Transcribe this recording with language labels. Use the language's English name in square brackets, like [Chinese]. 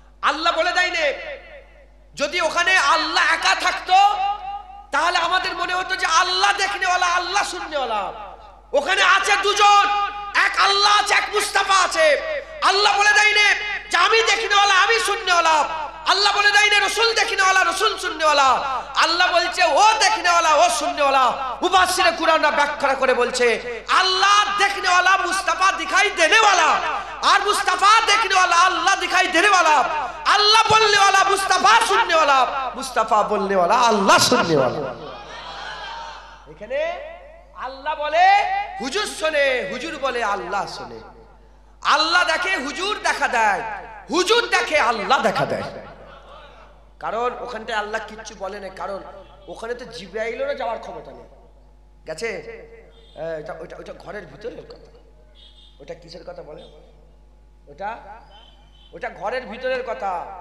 [Bangla] আল্লাহ বলে দেয় নে যদি ওখানে আল্লাহ একা থাকতো তাহলে আমাদের মনে হতো যে আল্লাহ দেখনেওয়ালা আল্লাহ শুননেওয়ালা, ওখানে আছে দুজন, এক আল্লাহ আছে এক মুস্তাফা আছে। আল্লাহ বলে দেয় নে যে আমি দেখনেওয়ালা আমি শুননেওয়ালা, আল্লাহ বলে দেয় নে রসুল দেখনেওয়ালা রসুল শুননেওয়ালা, আল্লাহ বলছে ও দেখনেওয়ালা ও শুননেওয়ালা। উপাসীরা কুরআনরা ব্যাখ্যা করে বলছে আল্লাহ [Hindi] देखने वाला मुस्तफा दिखाई देने वाला और मुस्तफा देखने वाला अल्लाह दिखाई देने वाला, अल्लाह बोलने वाला मुस्तफा सुनने वाला, मुस्तफा बोलने वाला अल्लाह सुनने वाला। [Bangla] এখানে আল্লাহ বলে হুজুর শুনে, হুজুর বলে আল্লাহ শুনে, আল্লাহ দেখে হুজুর দেখা দেয়, হুজুর দেখে আল্লাহ দেখা দেয়। কারণ ওখানটায় আল্লাহ কিচ্ছু বলে না, কারণ ওখানে তো জিব্রাইলও না যাওয়ার ক্ষমতা নেই। গেছে ওটা ওটা ঘরের ভিতরের কথা, ওটা কিসের কথা বলে, ওটা ওটা ঘরের ভিতরের কথা।